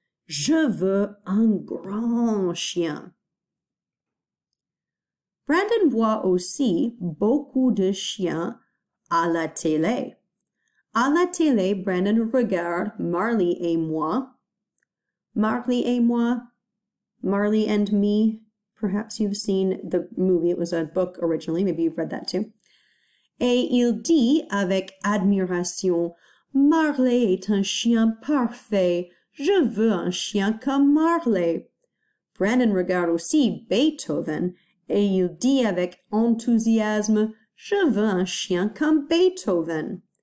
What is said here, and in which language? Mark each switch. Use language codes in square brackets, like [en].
[fr] Je veux un grand chien. Brandon voit aussi beaucoup de chiens à la télé. À la télé, Brandon regarde Marley et moi. Marley et moi. [en] Marley and me. Perhaps you've seen the movie. It was a book originally. Maybe you've read that too. [fr] Et il dit avec admiration, Marley est un chien parfait. Je veux un chien comme Marley. Brandon regarde aussi Beethoven et il dit avec enthousiasme, je veux un chien comme Beethoven.